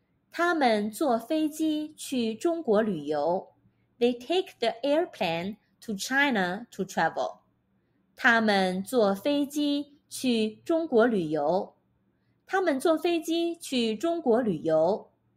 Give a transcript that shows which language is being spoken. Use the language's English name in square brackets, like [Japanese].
[Chinese] 他们坐飞机去中国旅游。 [English] They take the airplane to China to travel. [Chinese] 他们坐飞机去中国旅游。他们坐飞机去中国旅游。